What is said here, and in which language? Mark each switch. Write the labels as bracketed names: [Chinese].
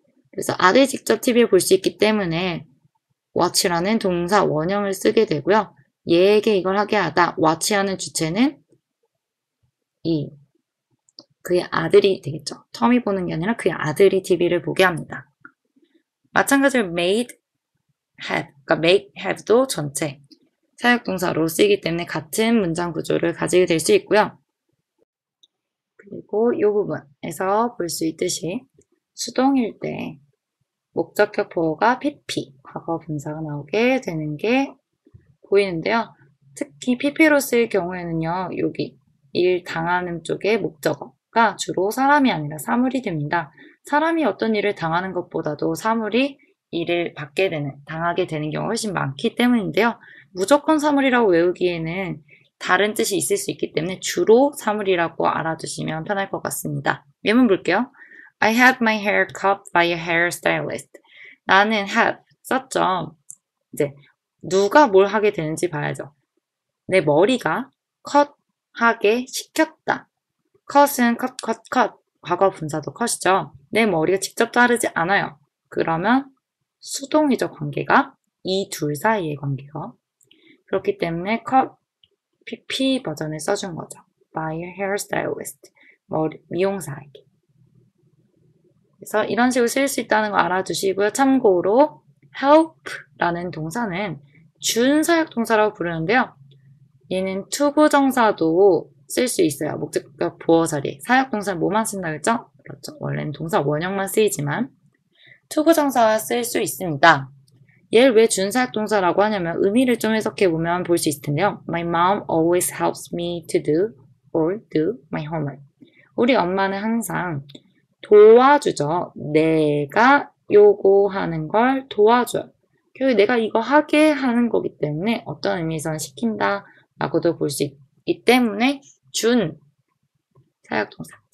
[Korean] 그래서 아들이 직접 TV를 볼수 있기 때문에 watch라는 동사 원형을 쓰게 되고요. 얘에게 이걸 하게 하다. watch하는 주체는 이. 그의 아들이 되겠죠. 톰이 보는 게 아니라 그의 아들이 TV를 보게 합니다. 마찬가지로 made, have. 그러니까 make, have도 전체. 사역 동사로 쓰이기 때문에 같은 문장 구조를 가지게 될수 있고요. 그리고 이 부분에서 볼수 있듯이 수동일 때 목적격 보어가 PP, 과거 분사가 나오게 되는 게 보이는데요. 특히 PP로 쓸 경우에는요, 여기 일 당하는 쪽에 목적어가 주로 사람이 아니라 사물이 됩니다. 사람이 어떤 일을 당하는 것보다도 사물이 일을 받게 되는, 당하게 되는 경우가 훨씬 많기 때문인데요. 무조건 사물이라고 외우기에는 다른 뜻이 있을 수 있기 때문에 주로 사물이라고 알아두시면 편할 것 같습니다. 예문 볼게요. [English] I had my hair cut by a hairstylist. [Korean] 나는 had 썼죠. 이제 누가 뭘 하게 되는지 봐야죠. 내 머리가 컷 하게 시켰다. cut은 cut, cut, cut. 과거 분사도 cut이죠. 내 머리가 직접 자르지 않아요. 그러면 수동이죠, 관계가. 이둘 사이의 관계가. 그렇기 때문에 cut, PP 버전을 써준 거죠. [English] By a hairstylist. [Korean] 머리, 미용사에게. 그래서 이런 식으로 쓸수 있다는 거 알아주시고요. 참고로 help라는 동사는 준사역동사라고 부르는데요. 얘는 투부정사도 쓸수 있어요. 목적격 보어 자리. 사역동사는 뭐만 쓴다 그랬죠? 그렇죠. 원래는 동사 원형만 쓰이지만 투부정사와 쓸수 있습니다. 얘를 왜 준사역동사라고 하냐면 의미를 좀 해석해 보면 볼수 있을 텐데요. [English] My mom always helps me to do or do my homework. [Korean] 우리 엄마는 항상 도와주죠. 내가 요구하는 걸 도와줘요. 결국 내가 이거 하게 하는 거기 때문에 어떤 의미에서는 시킨다라고도 볼수 있기 때문에 준 사역동사.